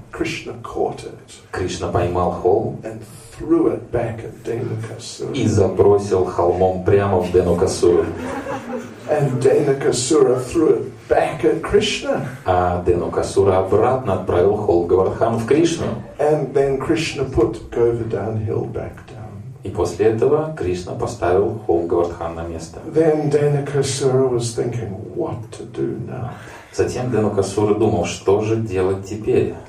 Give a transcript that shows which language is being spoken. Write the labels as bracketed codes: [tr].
[en] Krishna caught it. [ru] Кришна поймал холм. [en] And threw it back at Денукасура. [ru] И забросил холмом прямо в Денукасуру. [en] And Денукасура threw it back at Krishna. [ru] А Денукасура обратно отправил холм Говардхан в Кришну. [en] And then Krishna put Govardhan Hill back down. [ru] И после этого Кришна поставил холм Говардхан на место. [en] Then Денукасура was thinking, what to do now? [ru] Затем Денукасура думал, что же делать теперь?